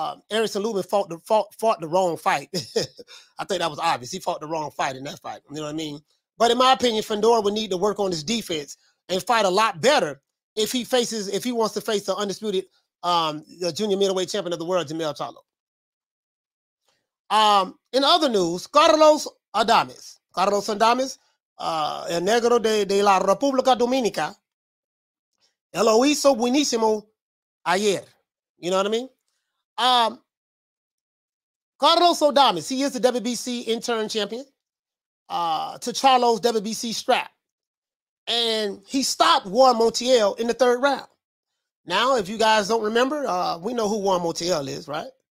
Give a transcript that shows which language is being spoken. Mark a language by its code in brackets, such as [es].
[en] Erickson Lubin fought the wrong fight. I think that was obvious. He fought the wrong fight in that fight. You know what I mean? But in my opinion, Fundora would need to work on his defense and fight a lot better if he wants to face the undisputed junior middleweight champion of the world, Jermell Charlo. In other news, [es] Carlos Adames, El Negro de la República Dominica, lo hizo buenísimo ayer. [en] You know what I mean? Carlos Adames, he is the WBC intern champion. To Charlo's WBC strap. And he stopped Juan Montiel in the third round. Now, if you guys don't remember, we know who Juan Montiel is, right?